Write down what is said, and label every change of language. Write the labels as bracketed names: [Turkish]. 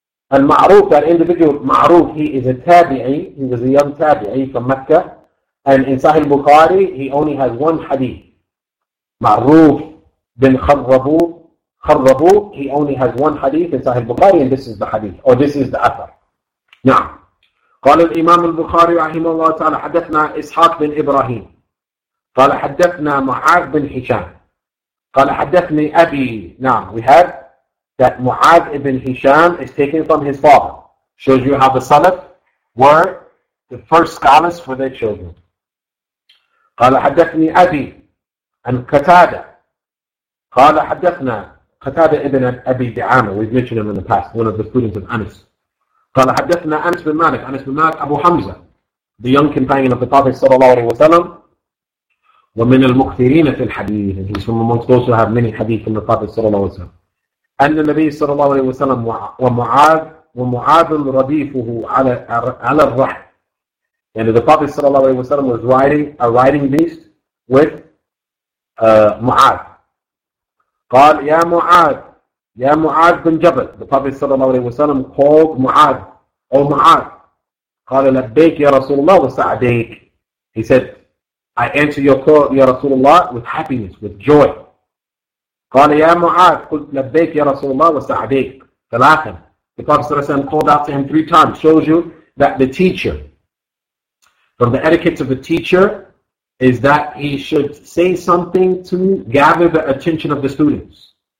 [English] And Ma'ruf, that individual, Ma'ruf, he is a tabi'i, he was a young tabi'i from Mecca. And in Sahih Bukhari, he only has one hadith. Ma'ruf bin Kharrabu, he only has one hadith in Sahih Bukhari, and this is the hadith, or this is the athar. Na'am. [Arabic] قال الإمام البخاري رحمه الله تعالى حدثنا إسحاق بن إبراهيم قال حدثنا معاذ بن هشام قال حدثني أبي. [English] Na'am, we have that Mu'adh ibn Hisham is taken from his father. Shows you how the Salaf were the first scholars for their children. [Arabic] قال حدثني أبي عن قتادة قال حدثنا قتادة ابن أبي دعامة. [English] We've mentioned him in the past, one of the students of Anas. [Arabic] قال حدثنا أنس بن مالك. أنس بن مالك أبو حمزة, [English] the young companion of the Prophet [Arabic] صلى الله عليه وسلم. ومن المكثرين في الحديث, [English] and he's from amongst those who have many hadith from the Prophet صلى الله عليه وسلم. [Arabic] أن النبي صلى الله عليه وسلم ومعاذ رديفه على الرحل. [English] يعني the Prophet صلى الله عليه وسلم was riding a riding beast with معاذ. [Arabic] قال يا معاذ, يا معاذ بن جبل. [English] The Prophet صلى الله عليه وسلم called معاذ, [Arabic] أو معاذ. قال لبيك يا رسول الله وسعديك. [English] He said, I answer your call, [Arabic] يا رسول الله, [English] with happiness, with joy. [Arabic] قال يا معاذ قلت لبيك يا رسول الله وسعديك ثلاثا. [English] The Prophet صلى الله عليه وسلم called out to him three times. Shows you that the teacher, from the etiquette of a teacher, is that he should say something to gather the attention of the students.